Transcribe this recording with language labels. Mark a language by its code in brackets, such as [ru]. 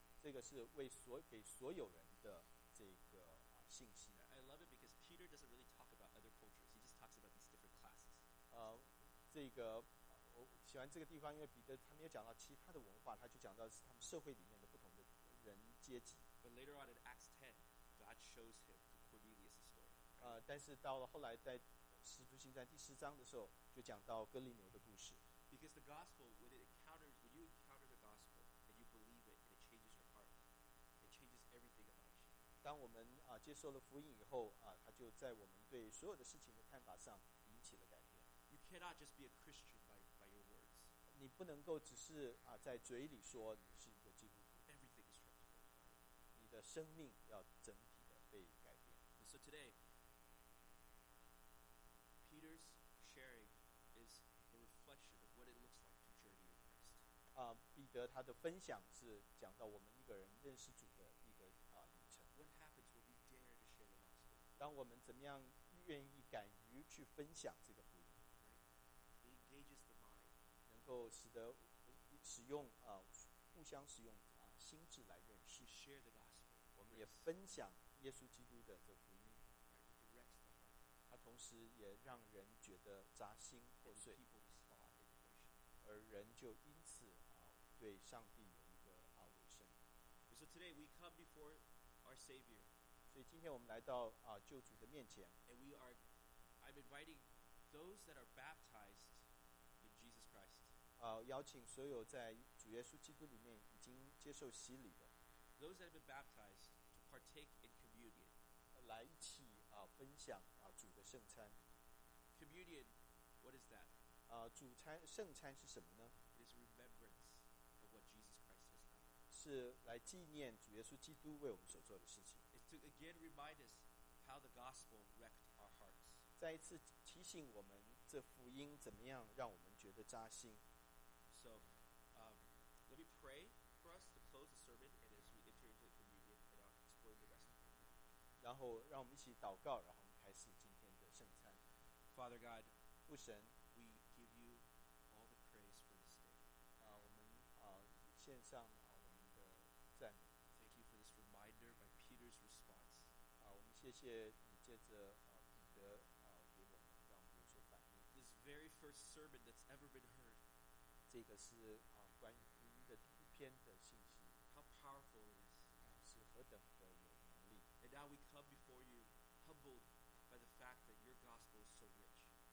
[zh] 这个是给所有人的这个信息。 [en] I love it because Peter doesn't really talk about other cultures. He just talks about these different classes. [zh] 这个我喜欢这个地方，因为彼得他没有讲到其他的文化，他就讲到是他们社会里面的不同的人阶级。 [en] But later on in Acts 10, God shows him to Cornelius' story. [zh] 但是到了后来在使徒行传第十章的时候，就讲到哥利牛的故事。 [en] Because the gospel, when you encounter the gospel and you believe it, it changes your heart. It changes everything about. [zh] 当我们接受了福音以后他就在我们对所有的事情的看法上引起了改变。 [en] You cannot just be a Christian by your words. [zh] 你不能够只是在嘴里说你是一个基督徒。 [en] Everything is transformed. [zh] 你的生命要整体的被改变。 [en] And so today, Peter's sharing is a reflection of what it looks like to journey in Christ. [zh] 彼得他的分享是讲到我们一个人认识主的一个 [en] What happens when we dare to share the gospel? [zh] 当我们怎么样愿意敢于去分享这个福音， [en] right. It engages the mind. [zh] 能够使得使用互相使用心智来认识。 [en] We share the gospel. [zh] 我们也分享耶稣基督的这福音。 [en] Right. It wrecks the heart. [zh] 它同时也让人觉得扎心破碎。 [en] And people respond in worship. [zh] 而人就因此对上帝有一个委身。 [en] So today we come before. Our Savior. [zh] 所以今天我们来到救主的面前。 [en] And we are, I'm inviting those that are baptized in Jesus Christ. [zh] 邀请所有在主耶稣基督里面已经接受洗礼的。 [en] Those that have been baptized to partake in communion. [zh] 来一起分享主的圣餐。 [en] Communion, what is that? [zh] 主餐圣餐是什么呢？ [en] It is remembrance of what Jesus Christ has done. [zh] 是来纪念主耶稣基督为我们所做的事情。 [en] It's to again remind us how the gospel wrecked our hearts. [zh] 再一次提醒我们，这福音怎么样让我们觉得扎心。 [en] So, let me pray for us to close the sermon, and as we enter into communion, and I'll explain the rest of it. [zh] 然后让我们一起祷告，然后我们开始今天的圣餐。 [en] Father God, [zh] 父神。 [en] We give you all the praise for this day. [zh] 我们献上我们的赞美。 [en] Thank you for this reminder by Peter's response. [zh] 我们谢谢你借着彼得给我们让我们有所反应。 [en] This very first sermon that's ever been heard. [zh] 这个是关于福音的第一篇的信息。 [en] How powerful it is. [zh] 是何等的有能力。 [en] And now we come before you humbled by the fact that your gospel is so rich.